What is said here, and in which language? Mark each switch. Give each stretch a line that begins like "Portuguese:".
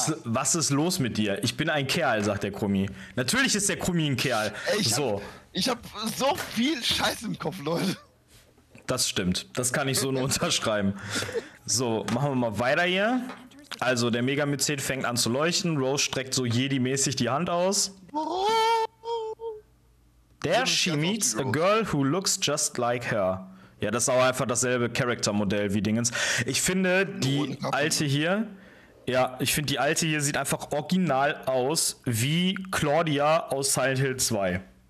German: Was ist los mit dir? Ich bin ein Kerl, sagt der Krummi. Natürlich ist der Krummi ein Kerl. Ey, ich hab so viel Scheiß im Kopf, Leute. Das stimmt. Das kann ich so nur unterschreiben. So, machen wir mal weiter hier. Also, der Megamyzen fängt an zu leuchten. Rose streckt so Jedi-mäßig die Hand aus.
English: There she meets a girl who looks just like her.
German: Ja, das ist auch einfach dasselbe Charaktermodell wie Dingens. Ich finde, die alte hier... Ja, ich finde, die alte hier sieht einfach original aus wie Claudia aus Silent Hill 2.